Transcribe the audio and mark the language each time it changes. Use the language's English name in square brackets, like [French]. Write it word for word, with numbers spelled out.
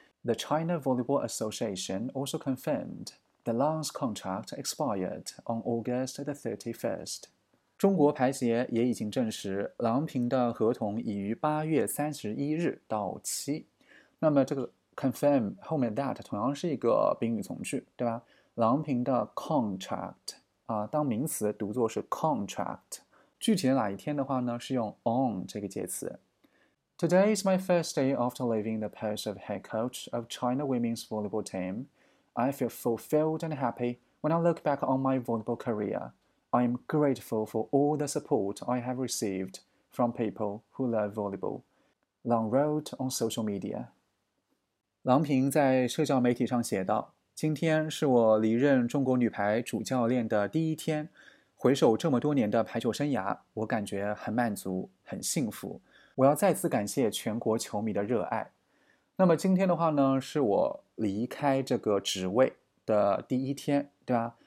[English] The China Volleyball Association also confirmed that Lang's contract expired on August the thirty-first。 [Chinese] 中国排协也已经证实，郎平的合同已于八月三十一日到期。那么这个 confirm 后面 that 同样是一个宾语从句，对吧？郎平的 contract 啊，当名词读作是 contract， 具体的哪一天的话呢，是用 on 这个介词。 [English] Today is my first day after leaving the post of head coach of China Women's Volleyball Team. I feel fulfilled and happy when I look back on my volleyball career. I am grateful for all the support I have received from people who love volleyball. Lang wrote on social media. [Chinese] 郎平在社交媒体上写道：今天是我离任中国女排主教练的第一天，回首这么多年的排球生涯，我感觉很满足，很幸福。我要再次感谢全国球迷的热爱。那么今天的话呢，是我离开这个职位的第一天，对吧？